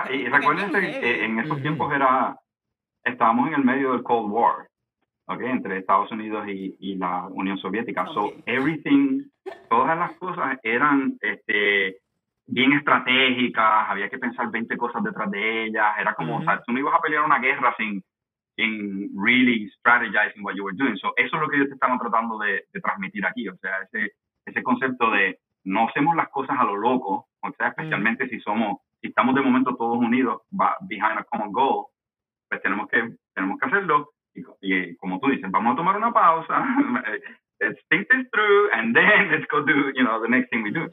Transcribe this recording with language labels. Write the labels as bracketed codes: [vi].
[es] Recuérdense que en esos tiempos estábamos en el medio del Cold War, okay, entre Estados Unidos y la Unión Soviética. Okay. So, todas las cosas eran bien estratégicas, había que pensar 20 cosas detrás de ellas, era como, uh-huh. O sea, tú no ibas a pelear una guerra sin [en] really strategizing what you were doing. [es] So, eso es lo que ellos te estaban tratando de transmitir aquí, o sea, ese concepto de no hacemos las cosas a lo loco, o sea, especialmente uh-huh. Si estamos de momento todos unidos [en] behind a common goal, [es] pues tenemos que hacerlo. Y como tú dices, vamos a tomar una pausa, [en] let's think this through, and then let's go do, you know, the next thing we do.